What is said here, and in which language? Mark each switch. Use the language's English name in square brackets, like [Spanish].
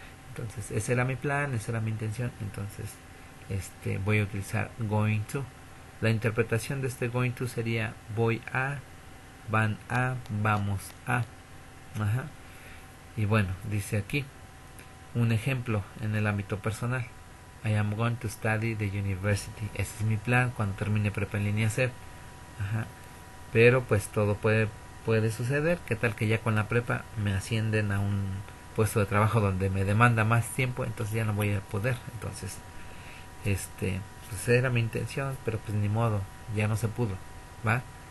[Spanish] Entonces, ese era mi plan, esa era mi intención. Entonces, voy a utilizar going to. La interpretación de este going to sería voy a, van a, vamos a. Ajá. Y bueno, dice aquí un ejemplo en el ámbito personal. [English] I am going to study the university. [Spanish] Ese es mi plan cuando termine prepa en línea SEP. Ajá. Pero pues todo puede suceder. ¿Qué tal que ya con la prepa me ascienden a un puesto de trabajo donde me demanda más tiempo? Entonces ya no voy a poder. Entonces, pues era mi intención, pero pues ni modo, ya no se pudo, ¿va?